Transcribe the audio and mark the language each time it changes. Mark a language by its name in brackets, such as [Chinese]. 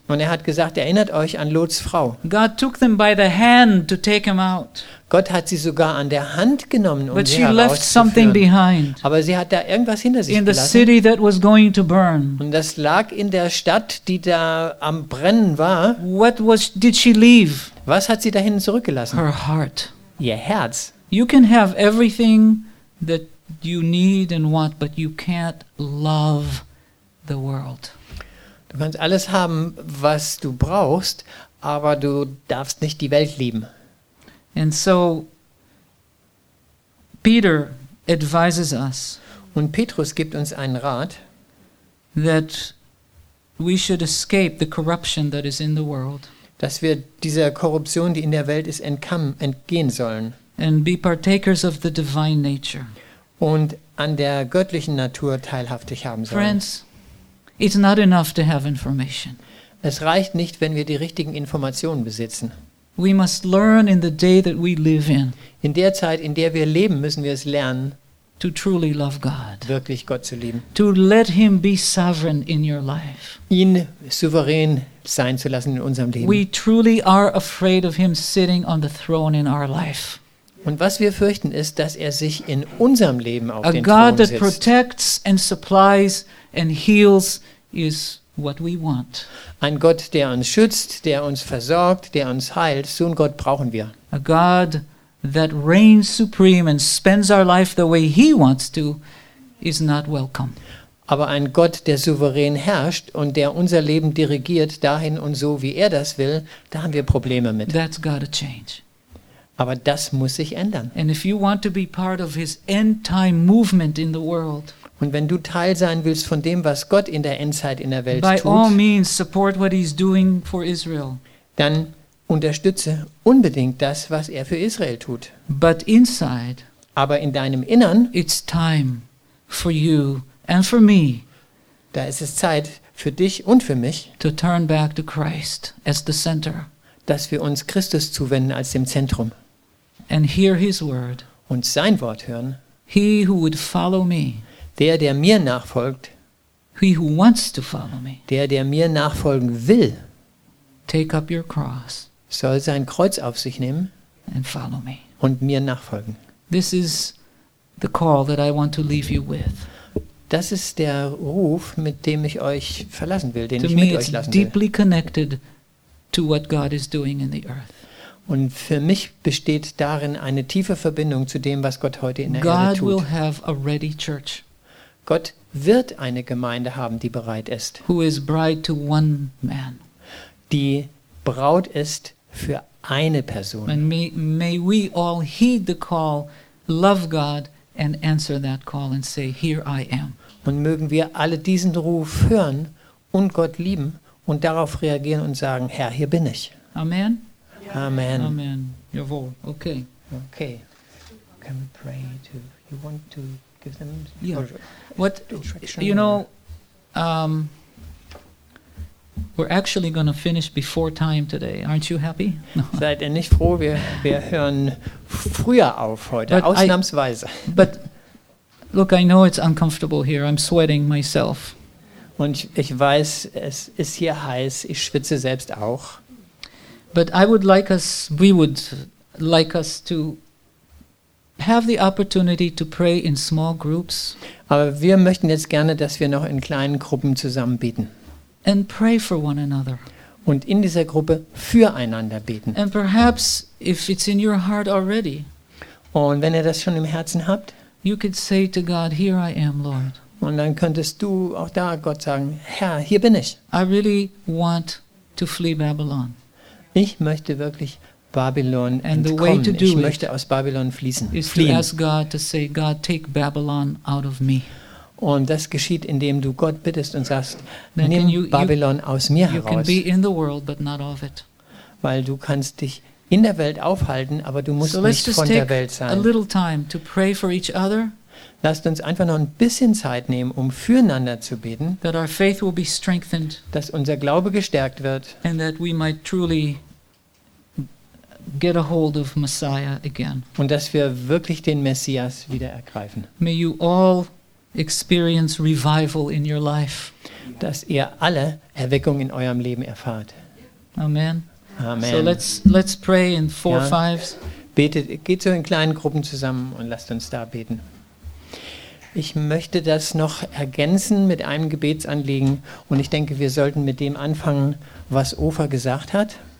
[German] Und er hat gesagt, erinnert euch an Lots Frau. [English] God took them by the hand to take him out. [German] Gott hat sie sogar an der Hand genommen, um [English] but [German] sie [English] she [German] herauszuführen. [English] Left something behind. [German] Aber sie hat da irgendwas hinter sich [English] in [German] gelassen. [English] The city that was going to burn. [German] Und das lag in der Stadt, die da am Brennen war. [English] What was, did she leave? [German] Was hat sie dahin zurückgelassen? [English] Her heart. [German] Ihr Herz. [English] You can have everything that you need and want, but you can't love the world. [German] Du kannst alles haben, was du brauchst, aber du darfst nicht die Welt lieben. [English] And so Peter advises us. [German] Und Petrus gibt uns einen Rat, [English] that we should escape the corruption that is in the world. [German] Dass wir dieser Korruption, die in der Welt ist, entgehen sollen. [English] And be partakers of the divine nature. [German] Und an der göttlichen Natur teilhaftig haben sollen. [English] Friends, it's not enough to have information. [German] Es reicht nicht, wenn wir die richtigen Informationen besitzen. [English] We must learn in the day that we live in. [German] In der Zeit, in der wir leben, müssen wir es lernen, [English] to truly love God. [German] Wirklich Gott zu lieben. [English] To let him be sovereign in your life. [German] Ihn souverän sein zu lassen in unserem Leben. [English] We truly are afraid of him sitting on the throne in our life. [German] Und was wir fürchten ist, dass er sich in unserem Leben auf [English] a [German] den [English] God [German] Thron [English] that [German] sitzt. [English] Protects and supplies and heals is what we want. [German] Ein Gott, der uns schützt, der uns versorgt, der uns heilt. So einen Gott brauchen wir. [English] A God that reigns supreme and spends our life the way he wants to is not welcome. [German] Aber ein Gott, der souverän herrscht und der unser Leben dirigiert, dahin und so, wie er das will, da haben wir Probleme mit. [English] That's gotta change. [German] Aber das muss sich ändern. [English] And if you want to be part of his end time movement in the world, [German] und wenn du Teil sein willst von dem, was Gott in der Endzeit in der Welt tut, [English] by all means support what he's doing for Israel. [German] Dann unterstütze unbedingt das, was er für Israel tut. [English] But inside, [German] aber in deinem Innern, [English] it's time for you and for me. [German] Da ist es Zeit für dich und für mich, [English] to turn back to Christ as the center. [German] Dass wir uns Christus zuwenden als dem Zentrum. [English] And hear his word. [German] Und sein Wort hören. [English] He who would follow me. [German] Der, der mir nachfolgt. [English] He who wants to follow me. [German] Der, der mir nachfolgen will. [English] Take up your cross. [German] Soll sein Kreuz auf sich nehmen. [English] And follow me. [German] Und mir nachfolgen. [English] This is the call that I want to leave you with. [German] Das ist der Ruf, mit dem ich euch verlassen will, den ich mit euch lassen will. [English] Deeply connected to what God is doing in the earth. [German] Und für mich besteht darin eine tiefe Verbindung zu dem, was Gott heute in der Erde tut. [English] God will have a ready church. [German] Gott wird eine Gemeinde haben, die bereit ist. [English] Who is bride to one man. [German] Die Braut ist für eine Person. [English] And may we all heed the call, love God and answer that call and say, here I am. [German] Und mögen wir alle diesen Ruf hören und Gott lieben und darauf reagieren und sagen, Herr, hier bin ich. [English] Amen. [German] Amen. Amen. Jawohl. Okay. [English] Okay. Can we pray to, you want to give them? Yeah. What, you know, we're actually going to finish before time today. Aren't you happy? [German] Seid ihr nicht froh? Wir hören früher auf heute, but ausnahmsweise. [English] But look, I know it's uncomfortable here. I'm sweating myself. [German] Und ich weiß, es ist hier heiß. Ich schwitze selbst auch. [English] But I would like us, we would like us to have the opportunity to pray in small groups. [German] Aber wir möchten jetzt gerne, dass wir noch in kleinen Gruppen zusammen beten. [English] And pray for one another. [German] Und in dieser Gruppe füreinander beten. [English] And perhaps if it's in your heart already. [German] Und wenn ihr das schon im Herzen habt, [English] you could say to God, here I am, Lord. [German] Und dann könntest du auch da Gott sagen, Herr, hier bin ich. [English] I really want to flee Babylon. [German] Ich möchte wirklich Babylon entkommen. Ich möchte aus Babylon fließen. [English] To ask God to say, God, take Babylon out of me. [German] Und das geschieht, indem du Gott bittest und sagst, then nimm Babylon aus mir heraus. [English] You can be in the world, but not of it. [German] Weil du kannst dich in der Welt aufhalten, aber du musst nicht von der Welt sein. [English] A little time to pray for each other. [German] Lasst uns einfach noch ein bisschen Zeit nehmen, um füreinander zu beten, [English] that our faith will be strengthened, [German] dass unser Glaube gestärkt wird [English] and that we might truly get a hold of Messiah again. [German] Und dass wir wirklich den Messias wieder ergreifen. [English] May you all experience revival in your life. [German] Dass ihr alle Erweckung in eurem Leben erfahrt. [English] Amen. [German] Amen. [English] So let's pray in four ja. Fives. [German] Betet, geht so in kleinen Gruppen zusammen und lasst uns da beten. Ich möchte das noch ergänzen mit einem Gebetsanliegen und ich denke, wir sollten mit dem anfangen, was Ofer gesagt hat.